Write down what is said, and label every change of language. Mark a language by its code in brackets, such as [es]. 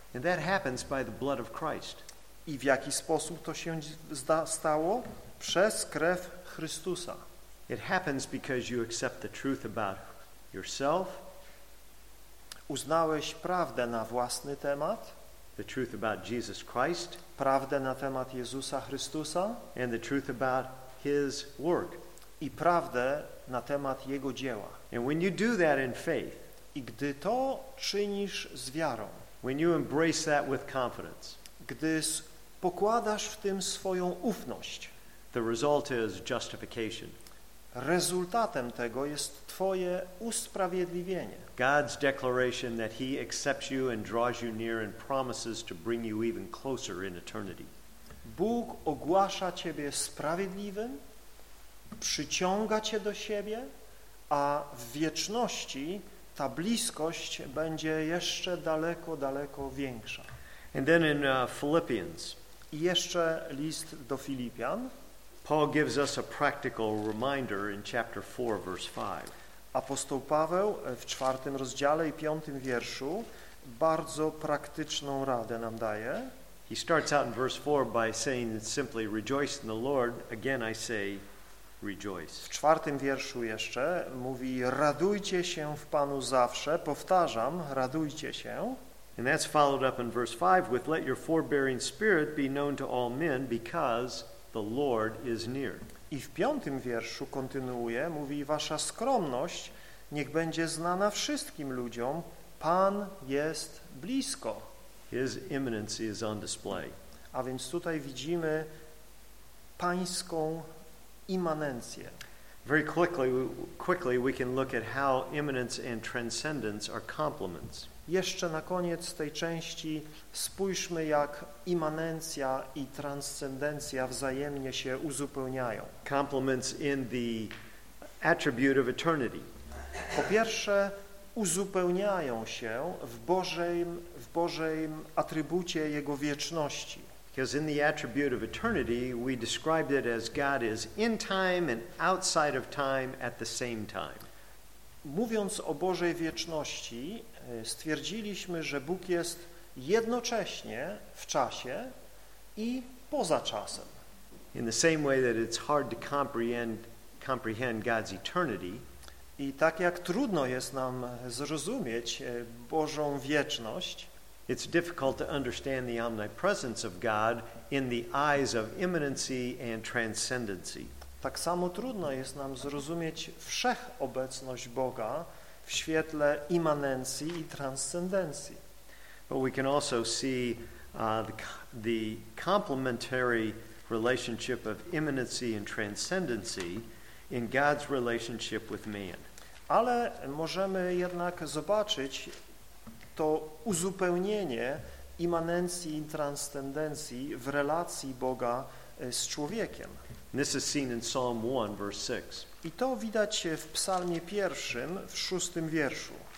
[en] And that happens by the blood of Christ. [pl] I w jaki sposób to się stało? Przez krew Chrystusa. [en] It happens because you accept the truth about yourself. [pl] Uznałeś prawdę na własny temat. [en] The truth about Jesus Christ. [pl] Prawdę na temat Jezusa Chrystusa. [en] And the truth about his work. [pl] I prawdę na temat jego dzieła. [en] And when you do that in faith. [pl] I gdy to czynisz z wiarą. [en] When you embrace that with confidence. [pl] Gdy pokładasz w tym swoją ufność. [en] The result is justification. [pl] Rezultatem tego jest twoje usprawiedliwienie. [en] God's declaration that he accepts you and draws you near and promises to bring you even closer in eternity. [pl] Bóg ogłasza ciebie sprawiedliwym, przyciąga cię do siebie, a w wieczności ta bliskość będzie jeszcze daleko, daleko większa. [en] And then in Philippians. [pl] I jeszcze list do Filipian. [en] Paul gives us a practical reminder in chapter 4, verse 5. [pl] Apostoł Paweł w 4 rozdziale i 5 wierszu bardzo praktyczną radę nam daje. [en] He starts out in verse 4 by saying simply, rejoice in the Lord. Again I say, rejoice. [pl] W 4 wierszu jeszcze mówi, radujcie się w Panu zawsze. Powtarzam, radujcie się. [en] And that's followed up in verse 5 with, let your forbearing spirit be known to all men because the Lord is near. [pl] I w 5 wierszu kontynuuje, mówi, wasza skromność niech będzie znana wszystkim ludziom. Pan jest blisko. [en] His imminence is on display. [pl] A więc tutaj widzimy pańską immanencję. [en] Very quickly we can look at how immanence and transcendence are complements. [pl] Jeszcze na koniec tej części spójrzmy, jak immanencja i transcendencja wzajemnie się uzupełniają. [en] Complements in the attribute of eternity. [pl] Po pierwsze, uzupełniają się w Bożym atrybucie Jego wieczności. [en] Because in the attribute of eternity, we described it as God is in time and outside of time at the same time. [pl] Mówiąc o Bożej wieczności, stwierdziliśmy, że Bóg jest jednocześnie w czasie i poza czasem. [en] In the same way that it's hard to comprehend God's eternity, [pl] i tak jak trudno jest nam zrozumieć Bożą wieczność, [en] it's difficult to understand the omnipresence of God in the eyes of immanency and transcendency. [pl] Tak samo trudno jest nam zrozumieć wszechobecność Boga w świetle immanencji i transcendencji. [en] But we can also see the complementary relationship of immanency and transcendency in God's relationship with man. [pl] Ale możemy jednak zobaczyć to uzupełnienie immanencji i transcendencji w relacji Boga z człowiekiem. [en] This is seen in Psalm 1, verse 6. [pl] I to widać w Psalmie 1, w 6 wierszu.